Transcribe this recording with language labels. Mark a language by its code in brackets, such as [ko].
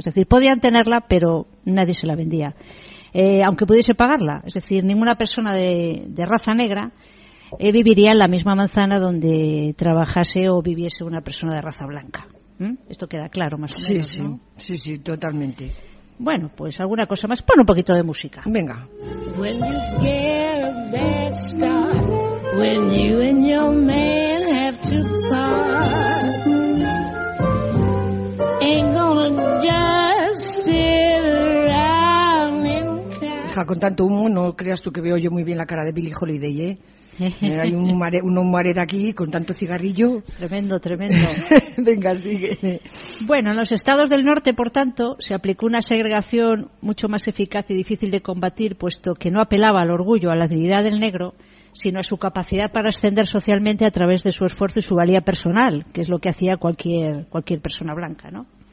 [es] Es decir, podían tenerla, pero nadie se la vendía, aunque pudiese pagarla. Es decir, ninguna persona de raza negra viviría en la misma manzana donde trabajase o viviese una persona de raza blanca. Esto queda claro, más o menos, sí, ¿no? Sí, sí, totalmente. Bueno, pues alguna cosa más. Pon un poquito de música. Venga. [en] When you get a bad start, when you and your man have to part, ain't gonna just sit around and cry. [es] Ja, con tanto humo, no creas tú que veo yo muy bien la cara de Billie Holiday, ¿eh? Hay un mare de aquí con tanto cigarrillo. Tremendo, tremendo. Venga, sigue. Bueno, en los estados del norte, por tanto, se aplicó una segregación mucho más eficaz y difícil de combatir, puesto que no apelaba al orgullo, a la dignidad del negro, sino a su capacidad para ascender socialmente a través de su esfuerzo y su valía personal, que es lo que hacía cualquier persona blanca, ¿no?